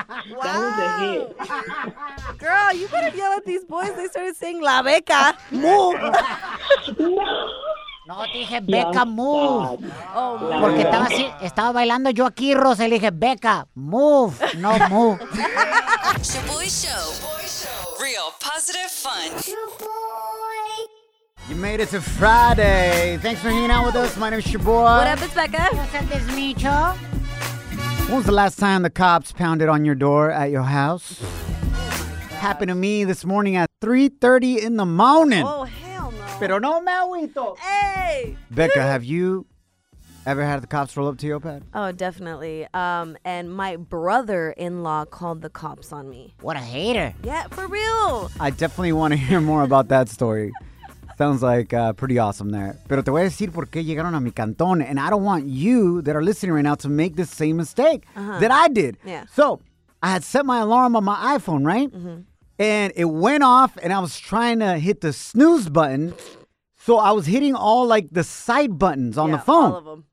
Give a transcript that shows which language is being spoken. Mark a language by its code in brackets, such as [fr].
[en] Girl, you better yell at these boys. They started saying La Beca. No. [es] No, dije, Becca, move. Porque estaba así, estaba bailando yo aquí, Rosa, y le dije, Becca, move, no move. [en] Shaboy Show. Real positive fun. Shaboy. You made it to Friday. Thanks for hanging out with us. My name is Shaboy. What up, it's Becca. What's up, it's Micho. When was the last time the cops pounded on your door at your house? Happened to me this morning at 3:30 in the morning. Oh, hell no. [es] Pero no me agüito. [en] Hey! Becca, have you ever had the cops roll up to your pad? Oh, definitely. And my brother-in-law called the cops on me. What a hater. Yeah, for real. I definitely want to hear more about that story. Sounds like pretty awesome there. [es] Pero te voy a decir por qué llegaron a mi cantón. [en] And I don't want you that are listening right now to make the same mistake that I did. Yeah. So I had set my alarm on my iPhone, right? Mm-hmm. And it went off and I was trying to hit the snooze button. So I was hitting all like the side buttons on the phone. All of them.